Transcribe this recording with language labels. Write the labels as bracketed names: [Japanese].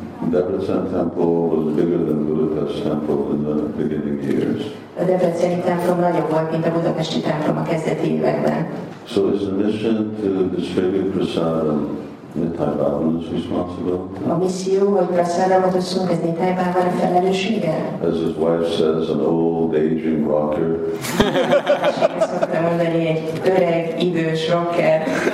[English] Debrecen temple was bigger than Budapest temple in the beginning years. [Hungarian] A debreceni templom nagyobb volt, mint a budapesti templom a kezdeti években. [English] So is the mission to distribute prasadam Nithai Bhavan's responsibility? [Hungarian] A misszió, hogy prasadamot osszunk, ez Nithai Bhavan a felelőssége? [English] As his wife says, an old aging rocker. [Hungarian] Ezt szoktam mondani, egy öreg, idős rocker.